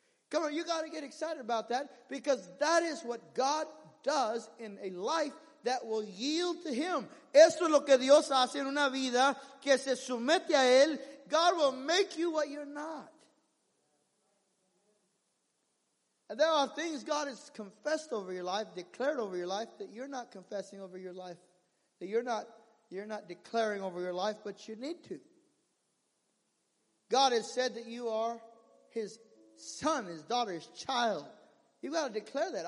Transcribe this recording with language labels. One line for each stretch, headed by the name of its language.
English: Come on, you got to get excited about that, because that is what God does in a life that will yield to him.
Spanish: Esto es lo que Dios hace en una vida que se somete a él.
English: God will make you what you're not. And there are things God has confessed over your life, declared over your life, that you're not confessing over your life, that you're not declaring over your life, but you need to. God has said that you are his son, his daughter, his child. You've got to declare that.